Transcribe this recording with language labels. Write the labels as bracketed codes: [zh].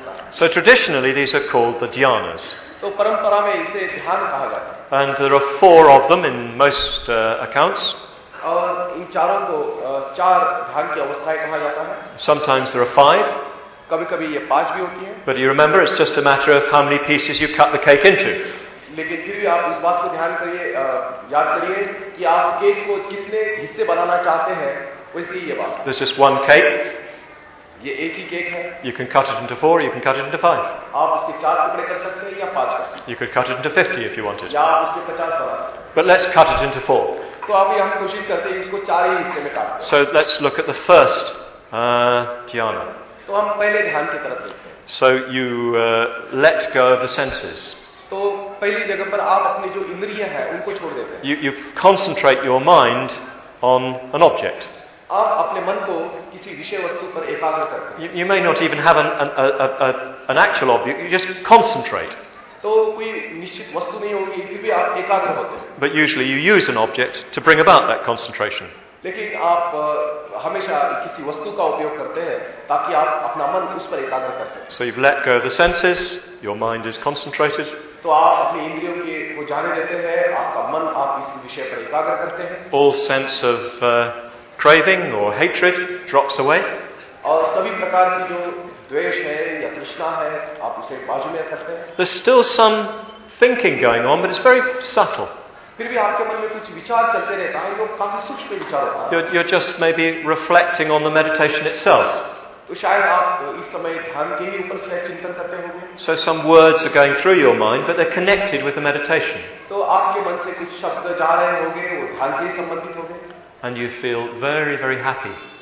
[en] So traditionally, these are called the dhyanas. [hi] तो परंपरा में इसे ध्यान कहा जाता है। [en] And there are four of them in most accounts. [hi] और इन चारों को चार ध्यान की अवस्थाएं कहा जाता है। [en] Sometimes there are five. [hi] कभी-कभी ये पांच भी होती हैं। [en] But you remember, it's just a matter of how many pieces you cut the cake into. [hi] लेकिन फिर भी आप इस बात को ध्यान करिए, याद करिए कि आप केक को कितने हिस्से बनाना चाहते हैं, वैसे ही ये बात। [en] There's just one cake. [hi] ये एक ही केक है। [en] You can cut it into four, you can cut it into five. [hi] आप उसके चार टुकड़े कर सकते हैं या पांच कर सकते हैं। [en] You could cut it into 50 if you wanted. [hi] या आप उसके 50 बना सकते हैं। [en] But let's cut it into four. [hi] तो अभी हम कोशिश करते हैं इसको चार ही हिस्से में काटें। [en] So let's look at the first dhyana. [hi] तो हम पहले ध्यान की तरफ देखते हैं। [en] So you let go of the senses. [hi] तो पहली जगह पर आप अपने जो इंद्रियां हैं उनको छोड़ देते हैं। [en] You concentrate your mind on an object. [hi] आप अपने मन को किसी विषय वस्तु पर एकाग्र करते हैं। [en] You may not even have an actual object. You just concentrate. [hi] तो कोई निश्चित वस्तु नहीं होगी, फिर भी आप एकाग्र होते हैं। [en] But usually you use an object to bring about that concentration. [hi] लेकिन आप हमेशा किसी वस्तु का उपयोग करते हैं ताकि आप अपना मन उस पर एकाग्र कर सकें। [en] So you've let go of the senses. Your mind is concentrated. [hi] तो आप अपनी इंद्रियों के को जाने देते हैं, आपका मन आप इसी विषय पर एकाग्र करते हैं। [en] All sense of craving or hatred drops away. [hi] और सभी प्रकार की जो द्वेष है या तृष्णा है, आप उसे बाजू में करते हैं। [en] There's still some thinking going on, but it's very subtle. [hi] फिर भी आपके मन में कुछ विचार चलते रहता है, जो काफी सूक्ष्म विचार होता है। [en] You're just maybe reflecting on the meditation itself. [hi] तो शायद आप इस समय ध्यान के ही ऊपर से चिंतन करते होंगे। [en] So some words are going through your mind, but they're connected with the meditation. [hi] तो आपके मन से कुछ शब्द जा रहे होंगे, वो ध्यान से संबंधित होंगे। [en] And you feel very, very happy.